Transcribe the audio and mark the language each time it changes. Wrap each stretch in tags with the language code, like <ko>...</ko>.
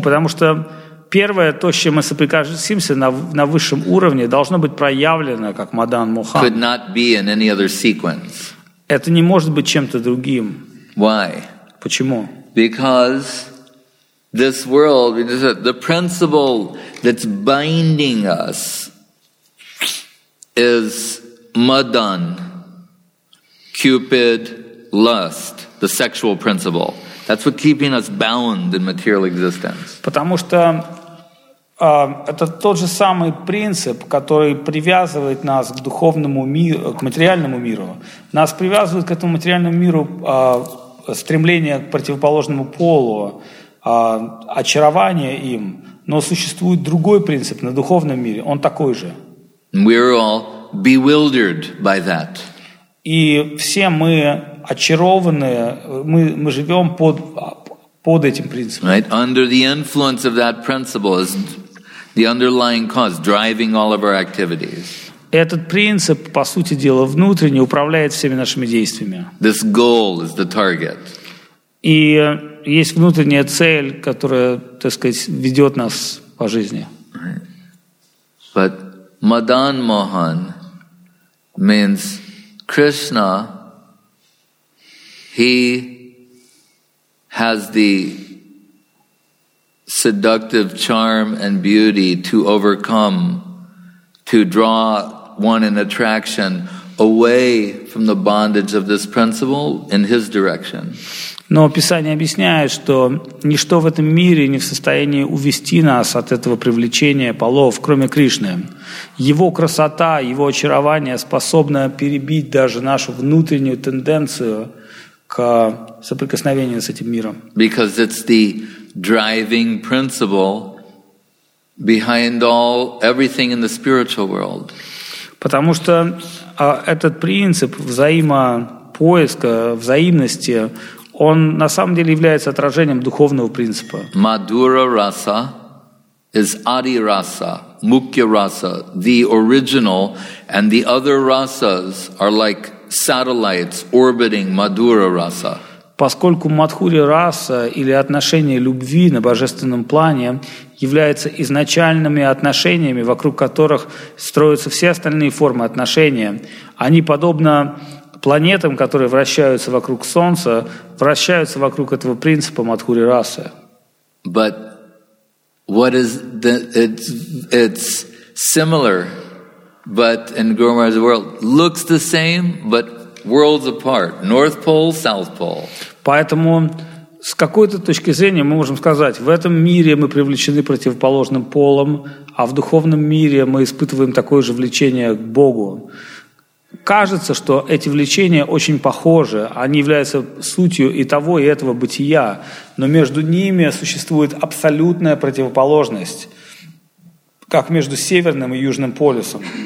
<ru>Потому что первое, то, с чем мы соприкасаемся на высшем уровне, должно быть проявлено как Мадан Мохан.</ru> <en>Could not be in any other sequence.</en> <ru>Это не может быть чем-то другим.</ru> <en>Why?</en> <ru>Почему?</ru> <en>Because this world, the principle that's binding us is Madan, Cupid, lust, the sexual principle. That's what's keeping us bound in material existence.</en> <ru>Потому что это тот же самый принцип, который привязывает нас к духовному миру, к материальному миру. Нас привязывает к этому материальному миру стремление к противоположному полу, очарование им. Но существует другой принцип на духовном мире, он такой же.</ru> <en>We're all bewildered by that.</en> <ru>И все мы очарованные, мы живем под этим принципом.</ru> <en>Right? Under the influence of that principle is the underlying cause driving all of our activities.</en> <ru>Этот принцип, по сути дела, внутренне управляет всеми нашими действиями.</ru> <en>This goal is the target.</en> <ru>И есть внутренняя цель, которая, так сказать, ведет нас по жизни.</ru> <en>But Madan Mohan means Krishna, he has the seductive charm and beauty to overcome, to draw one in attraction away from the bondage of this principle in his direction.</en> <ru>Но Писание объясняет, что ничто в этом мире не в состоянии увести нас от этого привлечения полов, кроме Кришны. Его красота, его очарование способно перебить даже нашу внутреннюю тенденцию к соприкосновению с этим миром.</ru> <en>Because it's the driving principle behind all everything in the spiritual world.</en> <ru>Потому что этот принцип взаимопоиска, взаимности, он на самом деле является отражением духовного принципа.</ru> <en>Madhura rasa is adi rasa, mukhya rasa, the original, and the other rasas are like satellites orbiting Madhura rasa.</en> <ru>Поскольку Мадхури раса или отношение любви на божественном плане является изначальными отношениями, вокруг которых строятся все остальные формы отношения, они подобно планетам, которые вращаются вокруг Солнца, вращаются вокруг этого принципа Мадхури расы.</ru> <en>But what is the, it's similar, but in Guru Maharaj's world looks the same, but worlds apart, North Pole, South Pole.</en> <ru>Поэтому с какой-то точки зрения мы можем сказать, в этом мире мы привлечены противоположным полом, а в духовном мире мы испытываем такое же влечение к Богу. Кажется, что эти влечения очень похожи, они являются сутью и того, и этого бытия, но между ними существует абсолютная противоположность, как между Северным и Южным полюсом.</ru>